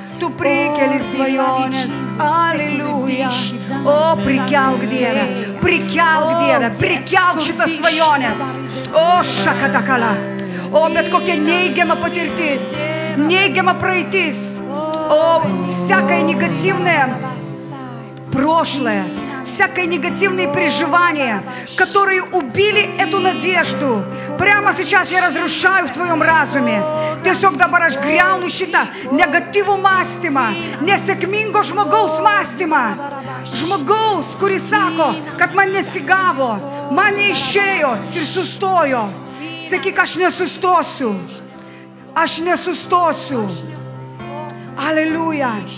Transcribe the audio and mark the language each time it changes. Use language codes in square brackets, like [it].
[lt] Tu prikeli svajonės. Aleluja. O prikelk Dieve, prikelk šitą svajonės. O šakatakala. O bet kokia neigiama patirtis, neigiama praeitis, o [ru] всякое негативное прошлое, всякое негативное переживание, которые убили эту надежду, прямо сейчас я разрушаю в твоем разуме. [lt] Tiesiog dabar aš griaunu šitą negatyvų mąstymą, nesėkmingo žmogaus mąstymą. Žmogaus, kuris sako, kad man nesigavo, man neišėjo ir sustojo. Sakyk, aš nesustosiu. Aleluja.